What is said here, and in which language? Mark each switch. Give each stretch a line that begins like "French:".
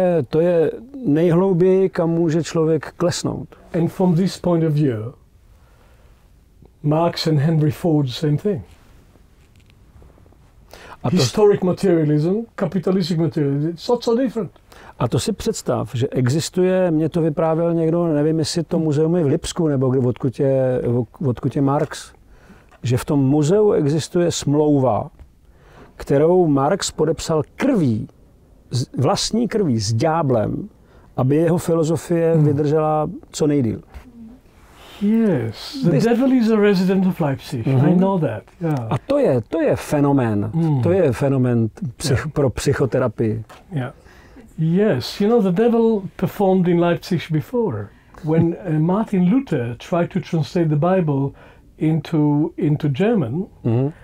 Czech: To je nejhlouběji, kam může člověk klesnout.
English: And from this point of view, Marx and Henry Ford same thing. Historic materialism, capitalistic materialism, it's not so different.
Czech: A to si představ, že existuje, mě to vyprávěl někdo, nevím, jestli to muzeum je v Lipsku, nebo odkud je Marx, že v tom muzeu existuje smlouva, kterou Marx podepsal krví, vlastní krví s ďáblem, aby jeho filozofie vydržela co nejdýl.
English: Yes, the devil is a resident of Leipzig. Mm-hmm. I know that. Yeah.
Czech: A to je fenomén. Mm. To je fenomén pro psychoterapii.
English: Yeah. Yes, you know the devil performed in Leipzig before when Martin Luther tried to translate the Bible into German. Mm-hmm.